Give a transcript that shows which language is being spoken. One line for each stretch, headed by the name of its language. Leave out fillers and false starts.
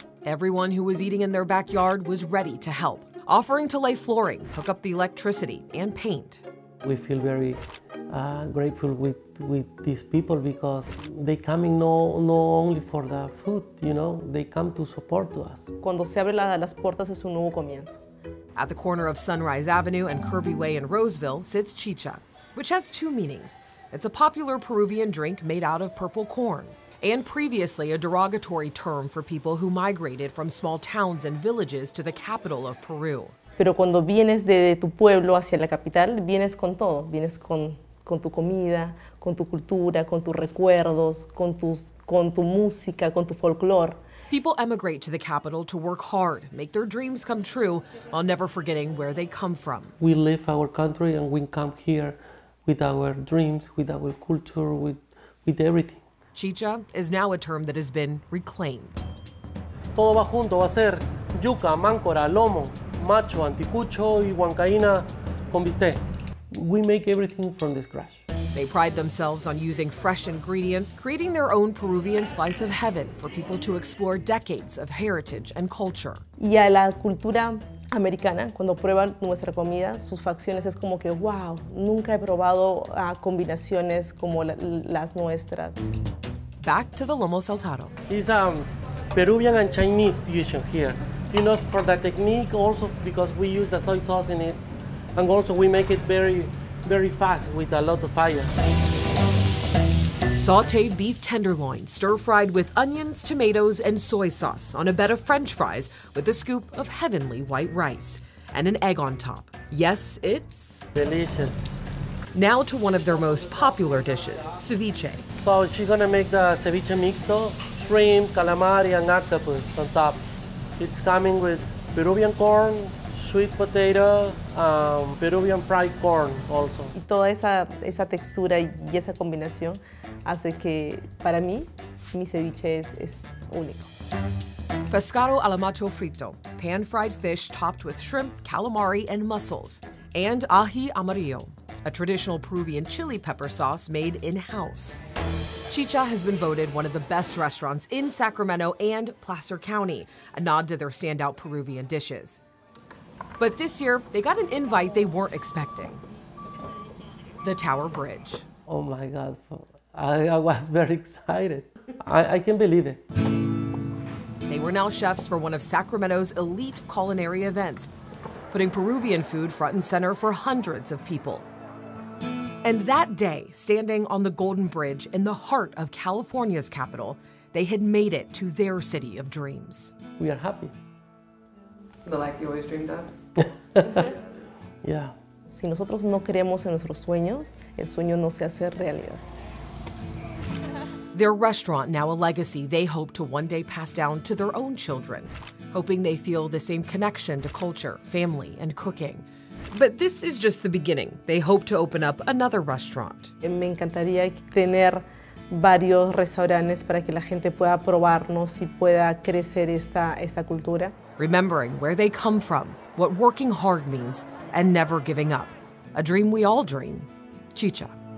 English: Everyone who was eating in their backyard was ready to help, offering to lay flooring, hook up the electricity, and paint. We feel very grateful with these people because they come in not only for the food, you know, they come to support to us.
Spanish: Cuando se abre las puertas es un nuevo comienzo.
English: At the corner of Sunrise Avenue and Kirby Way in Roseville sits Chicha, which has two meanings. It's a popular Peruvian drink made out of purple corn, and previously a derogatory term for people who migrated from small towns and villages to the capital of Peru.
Spanish: Pero cuando vienes de tu pueblo hacia la capital, vienes con todo. Vienes con tu comida, con tu cultura, con tus recuerdos, con tu música, con tu folclore.
English: People emigrate to the capital to work hard, make their dreams come true, while never forgetting where they come from. We leave our country and we come here with our dreams, with our culture, with everything. Chicha is now a term that has been reclaimed.
Spanish: Todo va junto, va a ser yuca, mancora, lomo. Macho, anticucho, y huancaína con bistec.
English: We make everything from scratch. They pride themselves on using fresh ingredients, creating their own Peruvian slice of heaven for people to explore decades of heritage and culture.
Spanish: Y a la cultura americana, cuando prueban nuestra comida, sus facciones es como que, wow, nunca he probado combinaciones como las nuestras.
English: Back to the Lomo Saltado. It's a Peruvian and Chinese fusion here. You know, for the technique, also because we use the soy sauce in it, and also we make it very, very fast with a lot of fire. Sauteed beef tenderloin, stir-fried with onions, tomatoes, and soy sauce on a bed of French fries with a scoop of heavenly white rice and an egg on top. Yes, it's delicious. Now to one of their most popular dishes, ceviche. So she's gonna make the ceviche mixto, shrimp, calamari, and octopus on top. It's coming with Peruvian corn, sweet potato, Peruvian fried corn also.
Spanish: Y toda esa textura y esa combinación hace que, para mí, mi ceviche es único.
English: Pescado a la macho frito, pan-fried fish topped with shrimp, calamari, and mussels, and ají amarillo, a traditional Peruvian chili pepper sauce made in-house. Chicha has been voted one of the best restaurants in Sacramento and Placer County, a nod to their standout Peruvian dishes. But this year, they got an invite they weren't expecting. The Tower Bridge. Oh my God, I was very excited. I can't believe it. They were now chefs for one of Sacramento's elite culinary events, putting Peruvian food front and center for hundreds of people. And that day, standing on the Golden Bridge in the heart of California's capital, they had made it to their city of dreams. We are happy. The life you always dreamed of? Yeah.
Spanish: Si nosotros no creemos en nuestros sueños, el sueño no se hace realidad.
English: Their restaurant, now a legacy they hope to one day pass down to their own children, hoping they feel the same connection to culture, family, and cooking. But this is just the beginning. They hope to open up another restaurant.
Spanish: Me encantaría tener varios restaurantes para que la gente pueda probarnos y pueda crecer esta cultura.
English: Remembering where they come from, what working hard means, and never giving up. A dream we all dream. Chicha.